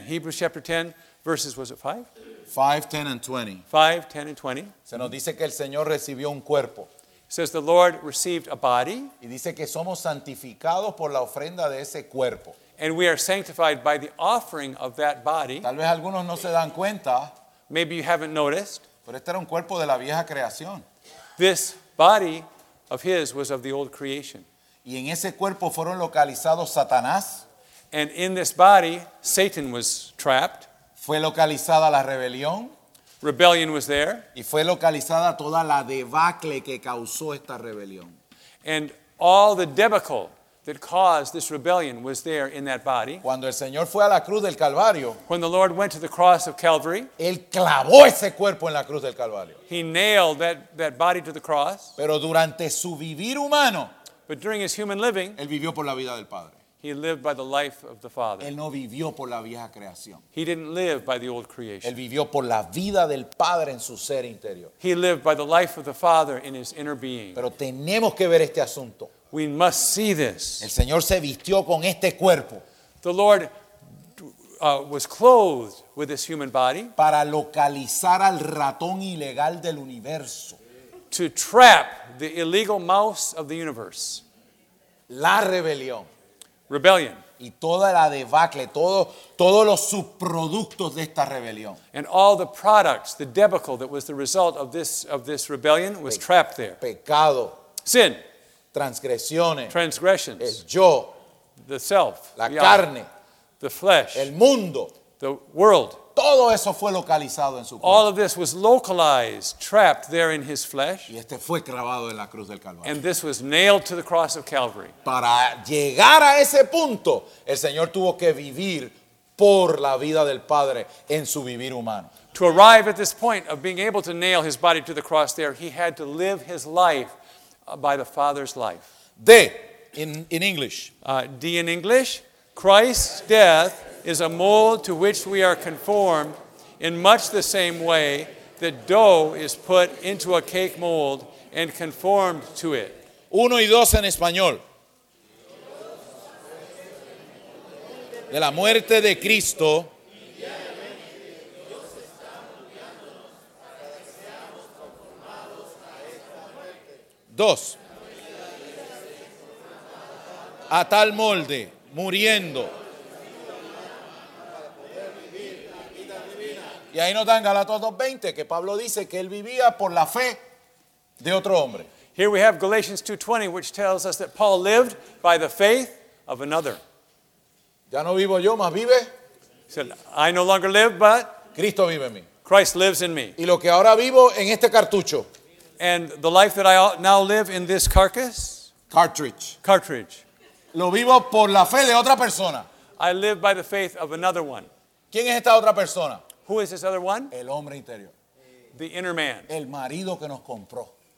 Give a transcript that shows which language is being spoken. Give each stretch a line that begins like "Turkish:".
English: Hebrews chapter 10, verses, was it 5? 5, 10 and 20. 5, 10 and 20.
Spanish: Se nos dice que el Señor recibió un cuerpo.
English: Says the Lord received a body.
Spanish: Y dice que somos santificados por la ofrenda de ese cuerpo.
English: And we are sanctified by the offering of that body.
Spanish: Tal vez algunos no se dan cuenta.
English: Maybe you haven't noticed.
Spanish: Pero este era un cuerpo de la vieja creación.
English: This body of his was of the old creation.
Spanish: Y en ese cuerpo fueron localizados Satanás.
English: And in this body, Satan was trapped.
Spanish: Fue localizada la rebelión.
English: Rebellion was there.
Spanish: Y fue localizada toda la debacle que causó esta rebelión.
English: And all the debacle that caused this rebellion was there in that body.
Spanish: Cuando el Señor fue a la cruz del Calvario.
English: When the Lord went to the cross of Calvary.
Spanish: Él clavó ese cuerpo en la cruz del Calvario.
English: He nailed that body to the cross.
Spanish: Pero durante su vivir humano.
English: But during his human living.
Spanish: Él vivió por la vida del Padre.
English: He lived by the life of the Father.
Spanish: Él no vivió por la vieja creación.
English: He didn't live by the old creation.
Spanish: Él vivió por la vida del Padre en su ser interior.
English: He lived by the life of the Father in his inner being.
Spanish: Pero tenemos que ver este asunto.
English: We must see this.
Spanish: El Señor se vistió con este cuerpo.
English: The Lord was clothed with this human body.
Spanish: Para localizar al ratón ilegal del universo.
English: To trap the illegal mouse of the universe.
Spanish: La rebelión.
English: Rebellion.
Spanish: Y toda la debacle, todos los subproductos de esta rebelión.
English: And all the products, the debacle that was the result of this rebellion was trapped there.
Spanish: Pecado.
English: Sin.
Spanish: Transgresiones.
English: Transgressions.
Spanish: El yo.
English: The self.
Spanish: La carne.
English: The flesh.
Spanish: El mundo.
English: The world.
Spanish: Todo eso fue localizado en su cuerpo.
English: All of this was localized, trapped there in his flesh.
Spanish: Y este fue clavado en la cruz del Calvario.
English: And this was nailed to the cross of Calvary.
Spanish: Para llegar a ese punto, el Señor tuvo que vivir por la vida del Padre en su vivir humano.
English: To arrive at this point of being able to nail his body to the cross there, he had to live his life by the Father's life. D, in English. D in English. Christ's death is a mold to which we are conformed in much the same way that dough is put into a cake mold and conformed to it.
Spanish: Uno y dos en español. De la muerte de Cristo. Dos. A tal molde, muriendo. Y ahí nos dan Galatas 2:20 que Pablo dice que él vivía por la fe de otro hombre.
English: Here we have Galatians 2:20 which tells us that Paul lived by the faith of another.
Spanish: Ya no vivo yo, más vive.
English: He said, I no longer live, but
Spanish: Cristo vive en mí.
English: Christ lives in me.
Spanish: Y lo que ahora vivo en este cartucho.
English: And the life that I now live in this carcass. Cartridge. Cartridge.
Spanish: Lo vivo por la fe de otra persona.
English: I live by the faith of another one.
Spanish: ¿Quién es esta otra persona?
English: Who is this other one?
Spanish: El hombre interior.
English: The inner man.
Spanish: El marido que nos compró.